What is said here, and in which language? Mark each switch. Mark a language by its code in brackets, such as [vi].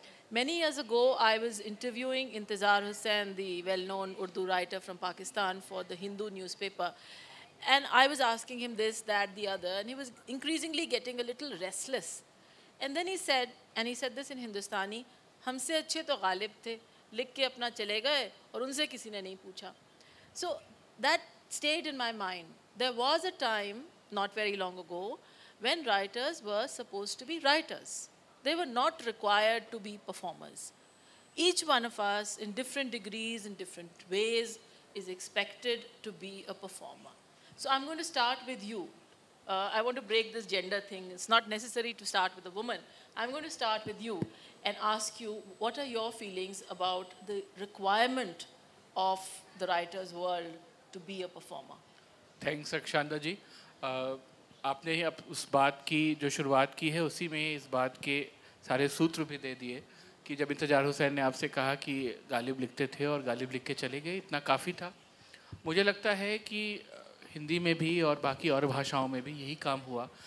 [en] Many years ago, I was interviewing Intizar Hussain, the well-known Urdu writer from Pakistan, for the Hindu newspaper. And I was asking him this, that, the other, and he was increasingly getting a little restless. And then he said this in Hindustani, [hi] humse achhe to ghalib the, लिख के अपना चले गए और उनसे किसी ने नहीं पूछा. [en] So that stayed in my mind. There was a time not very long ago when writers were suppose to be writers. They were not required to be performers. Each one of us in different degrees in different ways is expected to be a performer. So I am going to start with you. I want to break this gender thing. It's not necessary to start with a woman. I'm going to start with you and ask you, what are your feelings about the requirement of the writer's world to be a performer? Thanks, Akshanda ji. [hi] आपने ही अब उस बात की जो शुरुआत की है उसी में इस बात के सारे सूत्र भी दे दिए कि जब इंतजार हुसैन ने आपसे कहा कि गालिब लिखते थे और गालिब लिख के चले गए, इतना काफ़ी था. मुझे लगता है कि हिंदी में भी और बाकी और भाषाओं में भी यही काम हुआ.